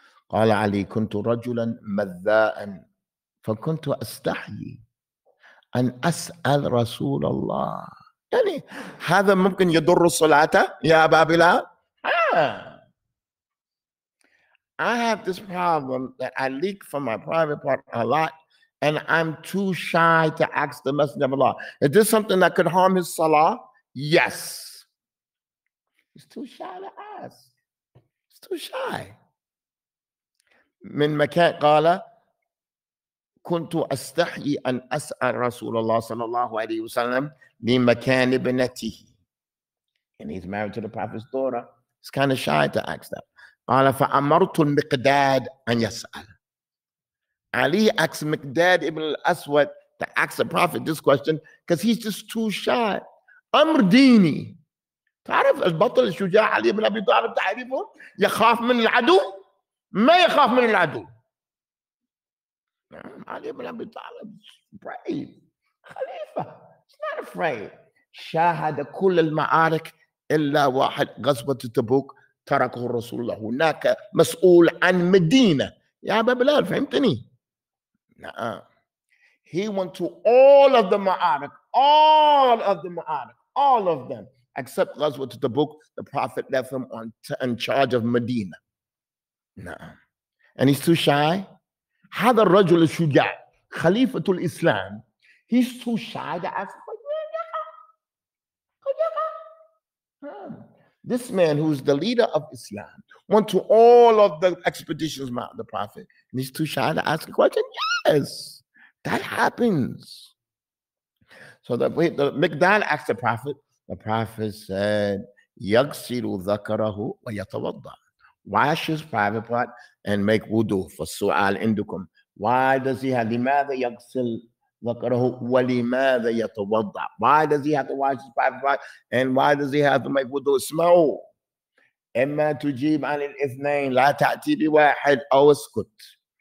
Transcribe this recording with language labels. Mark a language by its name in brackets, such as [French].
[Arabic] قال علي كنت رجلا مذاء فكنت أستحيي أن أسأل رسول الله. يعني هذا ممكن يضر الصلاة يا أبا بلال. [English] I have this problem that I leak from my private part a lot and I'm too shy to ask the messenger of Allah. Is this something that could harm his salah? Yes. He's too shy to ask. He's too shy. [Arabic] من مكان قال كنت أستحي أن أسأل رسول الله صلى الله عليه وسلم لمكان ابنته. [English] And he's married to the prophet's daughter. He's kind of shy to ask that. [Arabic] قال فأمرت المقداد أن يسأل. [English] علي asked مقداد ابن الأسود to ask the prophet this question because he's just too shy. [Arabic] أمر ديني. تعرف البطل الشجاع علي بن أبي طالب تعرفه؟ يخاف من العدو؟ ما يخاف من العدو. علي بن أبي طالب brave خليفة. [English] He's not afraid. [Arabic] شاهد كل المعارك إلا واحد غزوة تبوك تركه الرسول الله هناك مسؤول عن مدينة. يا أبا بلال فهمتني؟ نعم. [English] He went to all of the معارك, all of the معارك, all of them except غزوة تبوك. The prophet left him on in charge of مدينة. [Arabic] نعم. [English] And he's too shy. [Arabic] هذا الرجل الشجاع خليفة الإسلام. [English] He's too shy to ask. This man who's the leader of Islam went to all of the expeditions of the Prophet. And he's too shy to ask a question. Yes, that happens. So the Mikdad asked the Prophet. The Prophet said, [Arabic] يغسل ذكره ويتوضأ [English] washes private part and make wudu. [Arabic] فالسؤال عندكم. [English] Why does he have, [Arabic] لماذا يغسل ذكره ولماذا يتوضع? [English] Why does he have to wash his private part and why does he have to make wudu? [Arabic] اسمعوا. إما تجيب عن الاثنين لا تأتي بواحد أو اسكت.